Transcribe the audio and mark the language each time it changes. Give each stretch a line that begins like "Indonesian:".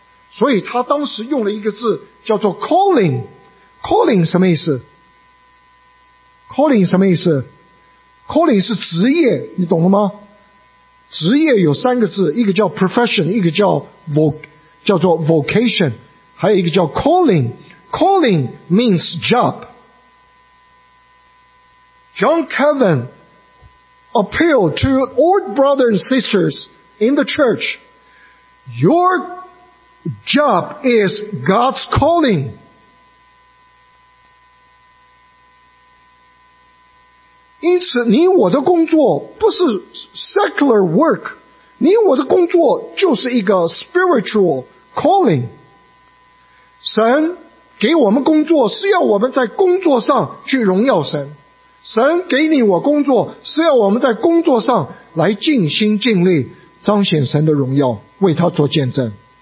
Chinese: 所以他当时用了一个字叫做 calling。calling 什么意思？calling 什么意思？ calling 是职业，你懂了吗？职业有三个字，一个叫 profession， 一个叫 vocation， 还有一个叫 calling。
English: calling means job。 John Calvin appealed to all brothers and sisters in the church. Your job is God's calling.
Chinese: 因此你我的工作不是
English: secular work，
Chinese: 你我的工作就是一个
English: spiritual calling。
Chinese: 神给我们工作是要我们在工作上去荣耀神，神给你我工作是要我们在工作上来尽心尽力彰显神的荣耀，为他做见证。